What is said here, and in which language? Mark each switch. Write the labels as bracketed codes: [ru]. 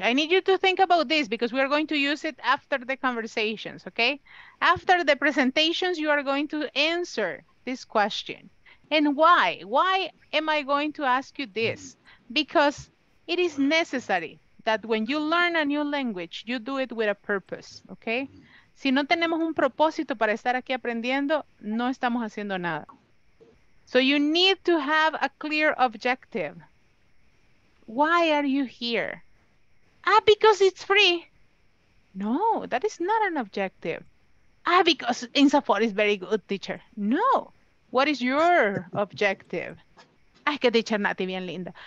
[en] I need you to think about this because we are going to use it after the conversations, okay? After the presentations, you are going to answer this question. And why? Why am I going to ask you this? Because it is necessary that when you learn a new language, you do it with a purpose, okay? [es] Si no tenemos un propósito para estar aquí aprendiendo, no estamos haciendo nada. [en] So you need to have a clear objective. Why are you here? Because it's free. No, that is not an objective. Because INSAFOR is very good, teacher. No, what is your objective? [es] Que teacher Nati bien linda.